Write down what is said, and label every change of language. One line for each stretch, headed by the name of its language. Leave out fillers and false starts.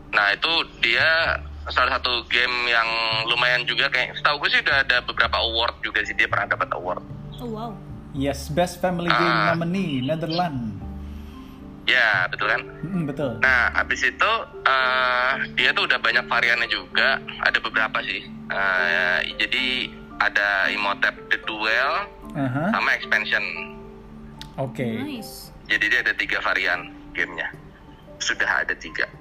Indonesian: Nah, itu dia salah satu game yang lumayan juga kayak setahu gue sih udah ada beberapa award juga sih, dia pernah dapat award. Oh, wow.
English: Yes, best family game nominee, Netherlands.
Indonesian: Ya, yeah, betul kan? Mm, betul. Nah, abis itu dia tuh udah banyak variannya juga. Ada beberapa sih. Jadi ada Imhotep The Duel, uh-huh, sama expansion. Oke.
English: Okay. Nice.
Indonesian: Jadi dia ada 3 varian gamenya. Sudah ada 3.